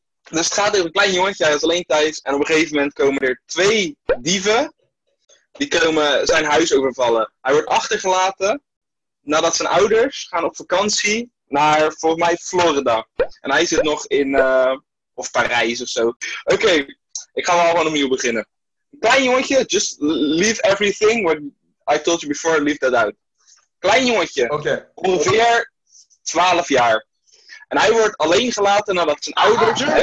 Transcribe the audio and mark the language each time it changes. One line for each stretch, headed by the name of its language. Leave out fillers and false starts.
Dutch: Dus het gaat om een klein jongetje, hij is alleen thuis. En op een gegeven moment komen er twee dieven. Die komen zijn huis overvallen. Hij wordt achtergelaten nadat zijn ouders gaan op vakantie naar, volgens mij, Florida. En hij zit nog in, of Parijs of zo. Oké, ik ga wel gewoon opnieuw beginnen. Klein jongetje,
English: just leave everything what I told you before, leave that out.
Dutch: Klein jongetje, ongeveer 12 jaar. En hij wordt alleen gelaten nadat zijn ouders...